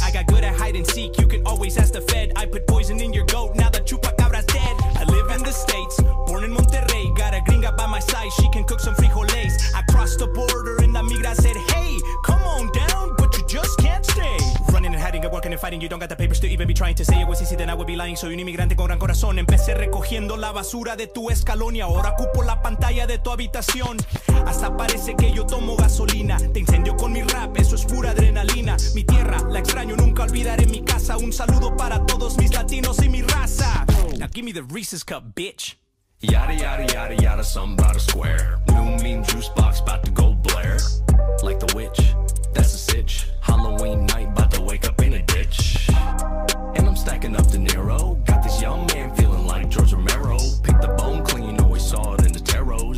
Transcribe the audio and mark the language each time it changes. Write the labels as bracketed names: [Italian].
[English] I got good at hide and seek, you can always ask the fed. I put poison in your goat, now the chupacabra's dead. I live in the States, born in Monterrey. Got a gringa by my side, she can cook some frijoles. I crossed the border and the migra said, hey, come on down, but you just can't stay. Running and hiding and working and fighting, you don't got the papers to even be trying to say it was easy, then I would be lying. [Spanish] Soy un inmigrante con gran corazón. Empecé recogiendo la basura de tu escalón y ahora ocupo la pantalla de tu habitación. Hasta parece que yo tomo gasolina. Te incendio con mi rap, eso es pura adrenalina. Mi tierra, la extraño, nunca olvidaré mi casa. Un saludo para todos mis latinos y mi raza. [English] Now give me the Reese's Cup, bitch. Yada, yada, yada, yada, something about a square. New mean juice box, about to go blare. Like the witch, that's a sitch. Halloween night, about to wake up in a ditch. And I'm stacking up De Niro. Got this young man feeling like George Romero. Pick the bone clean, always saw it in the tarot.